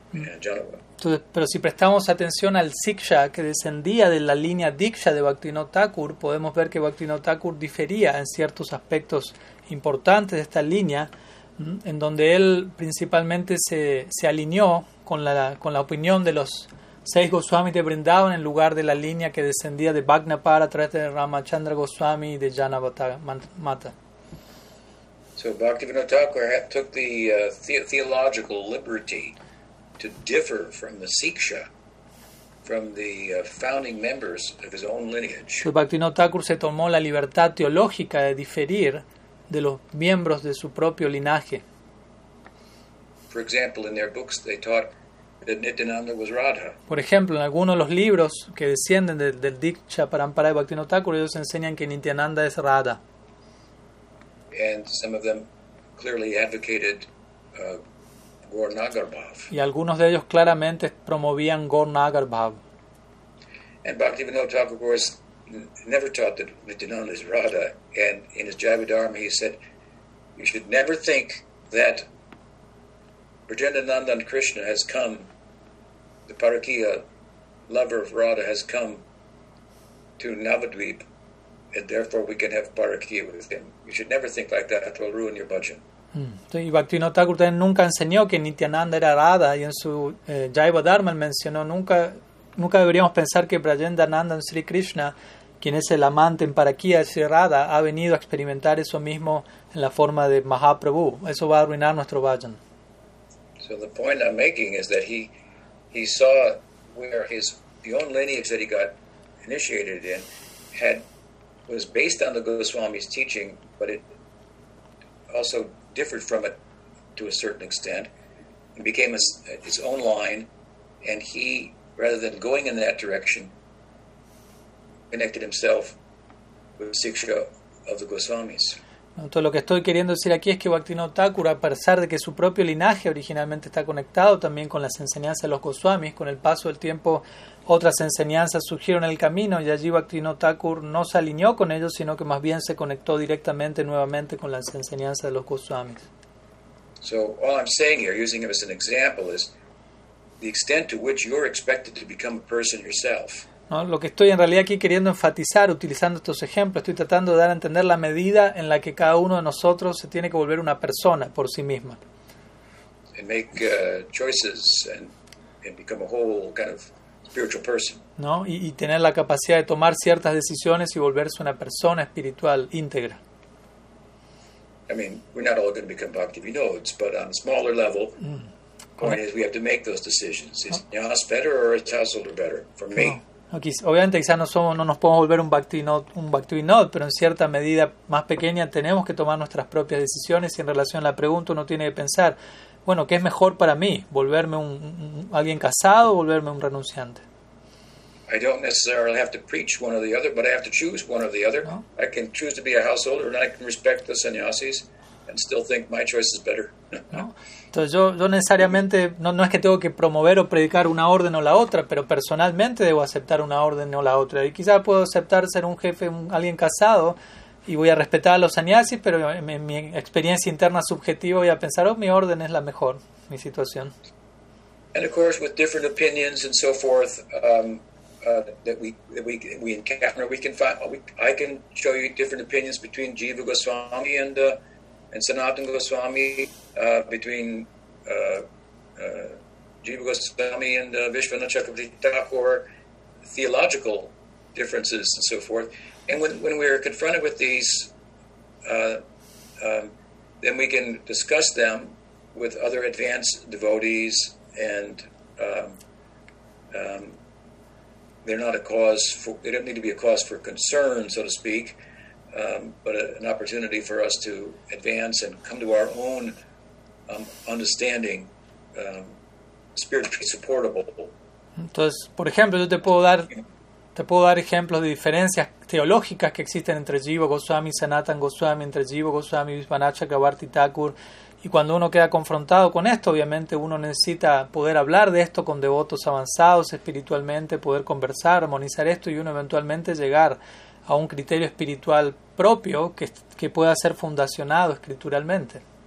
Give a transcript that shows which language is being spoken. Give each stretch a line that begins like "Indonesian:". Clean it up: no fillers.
Spanish: Entonces, pero si prestamos atención al siksha que descendía de la línea diksha de Bhaktivinoda Thakur, podemos ver que Bhaktivinoda Thakur difería en ciertos aspectos importantes de esta línea, en donde él principalmente se alineó con la opinión de los seis Goswamis de Vrindavan en lugar de la línea que descendía de Bhagnapar a través de Ramachandra Goswami y de Janavata Mata.
English: So Bhaktivinoda Thakur took the theological liberty to differ from the siksha from the founding members of his own lineage.
Spanish: So Bhaktivinoda Thakur se tomó la libertad teológica de diferir de los miembros de su propio linaje.
English: For example, in their books they taught that Nityananda was Radha.
Spanish: Por ejemplo, en algunos de los libros que descienden del Diksha Parampara de Bhaktivinoda Thakur, ellos enseñan que Nityananda es Radha.
English: And some of them clearly advocated Gaur Nagarbhav.
Spanish: Y algunos de ellos claramente promovían Gaur Nagarbhav.
English: And Bhaktivinoda Thakur, of course, never taught that Nityananda is Radha. And in his Jivadharma, he said, you should never think that Vrijendananda and Krishna has come, the Parakiya lover of Radha has come to Navadvip, and therefore we can have Parakiya with him. You should never think like that, it will ruin your bhajan.
Spanish: Y Bhaktivinoda Thakur nunca enseñó que Nityananda era Radha, y en su Jivadharma él mencionó, nunca deberíamos pensar que Vrijendananda and Sri Krishna, quien es el amante en Parakiya, es Radha, ha venido a experimentar eso mismo en la forma de Mahaprabhu. Eso va a arruinar nuestro bhajan.
English: So the point I'm making is that he saw where his the own lineage that he got initiated in had was based on the Goswami's teaching, but it also differed from it to a certain extent and became his own line, and he, rather than going in that direction, connected himself with the Siksha of the Goswamis.
Spanish: Entonces, lo que estoy queriendo decir aquí es que Bhaktivinoda Thakur, a pesar de que su propio linaje originalmente está conectado también con las enseñanzas de los Goswamis, con el paso del tiempo otras enseñanzas surgieron en el camino y allí Bhaktivinoda Thakur no se alineó con ellos, sino que más bien se conectó directamente nuevamente con las enseñanzas de los Goswamis.
English: So, all I'm saying here, using him as an example, is the extent to which you're expected to become a person yourself.
Spanish: ¿No? Lo que estoy en realidad aquí queriendo enfatizar, utilizando estos ejemplos, estoy tratando de dar a entender la medida en la que cada uno de nosotros se tiene que volver una persona por sí misma.
English: And make choices and become a whole kind of spiritual person.
Spanish: ¿No? Y tener la capacidad de tomar ciertas decisiones y volverse una persona espiritual íntegra.
English: I mean, we're not all going to become Bhaktivinodes, but on a smaller level, point is we have to make those decisions. Is Jnana's better or is Householder better for me? No.
Spanish: Obviamente quizás no nos podemos volver un Bhaktivinod, pero en cierta medida más pequeña tenemos que tomar nuestras propias decisiones, y en relación a la pregunta uno tiene que pensar, bueno, ¿qué es mejor para mí? ¿Volverme alguien casado o volverme un renunciante?
English: I don't necessarily have to preach one or the other, but I have to choose one or the other. No. I can choose to be a householder and I can respect the sannyasis and still think my choice is better.
Spanish: Entonces yo necesariamente, no es que tengo que promover o predicar una orden o la otra, pero personalmente debo aceptar una orden o la otra. Y quizás puedo aceptar ser un jefe, alguien casado, y voy a respetar a los sannyasis, pero en mi experiencia interna subjetiva voy a pensar, mi orden es la mejor, mi situación.
English: And of course, with different opinions and so forth, that we encounter, we can find, I can show you different opinions between Jiva Goswami and Sanatana Goswami, between Jiva Goswami and Vishwanath Chakravarti Thakur, theological differences and so forth. And when we are confronted with these, then we can discuss them with other advanced devotees, and they're not a cause for, they don't need to be a cause for concern, so to speak. But an opportunity for us to advance and come to our own understanding, spiritually supportable.
Spanish: Entonces, por ejemplo, yo te puedo dar ejemplos de diferencias teológicas que existen entre Jiva Goswami y Sanatan Goswami, entre Jiva Goswami y Vishwanath Chakravarti Thakur. Y cuando uno queda confrontado con esto, obviamente uno necesita poder hablar de esto con devotos avanzados espiritualmente, poder conversar, armonizar esto y uno eventualmente llegar a un criterio espiritual propio que pueda ser fundacionado escrituralmente.